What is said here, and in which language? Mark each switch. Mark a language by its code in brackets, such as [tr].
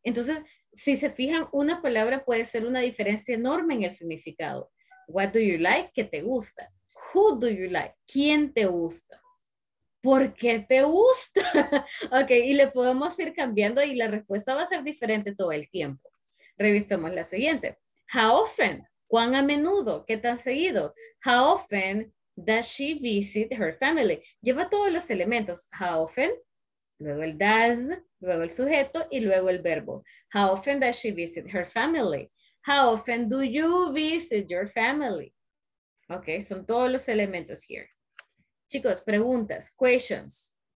[es] Entonces, si se fijan, una palabra puede ser una diferencia enorme en el significado. [en] What do you like? [es] ¿Qué te gusta? [en] Who do you like? [es] ¿Quién te gusta? ¿Por qué te gusta? Ok, y le podemos ir cambiando y la respuesta va a ser diferente todo el tiempo. Revisemos la siguiente. [en] How often? [es] ¿Cuán a menudo? ¿Qué tan seguido? [en] How often does she visit her family? [es] Lleva todos los elementos. [en] How often? [es] Luego el does, luego el sujeto y luego el verbo. [en] How often does she visit her family? How often do you visit your family? [es] Ok, son todos los elementos here. Chicos, preguntas, questions.